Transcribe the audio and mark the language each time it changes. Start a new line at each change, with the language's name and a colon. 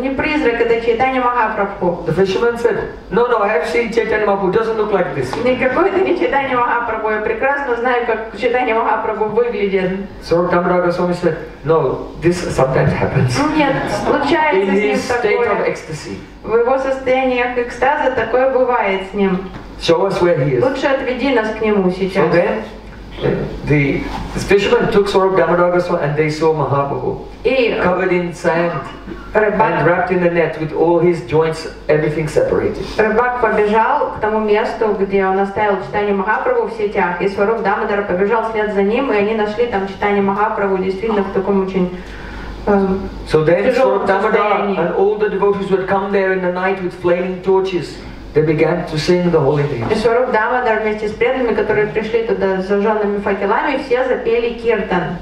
Russian: Не призрак, это Чайтанья Махапрабху.
English: The fisherman said, no, I have seen Chaitanya Mahaprabhu. Doesn't look like this.
Russian: Никакой это не Чайтанья Махапрабху. Я прекрасно знаю, как Чайтанья Махапрабху выглядит.
English: Swarup Damodara Goswami said, no, this sometimes happens.
Russian: Нет, случается с ним такое.
English: In his state of ecstasy.
Russian: В его состоянии экстаза такое бывает с ним.
English: Show us where he is.
Russian: Лучше отведи нас к нему сейчас.
English: Okay. The fishermen took Swarup Damodara Goswami and they saw Mahaprabhu covered in sand and wrapped in the net with all his joints, everything separated.
Russian: Рыбак побежал к тому месту, где он оставил читание Махапрабху в сетях, и Swarup Damodara побежал вслед за ним, и они нашли там читание Махапрабху действительно в таком очень тяжелом состоянии.
English: And all the devotees would come there in the night with flaming torches. They began to sing the holy hymns.
Russian: Swarup Damodara вместе с преданными, которые пришли туда с зажженными факелами, все запели киртан.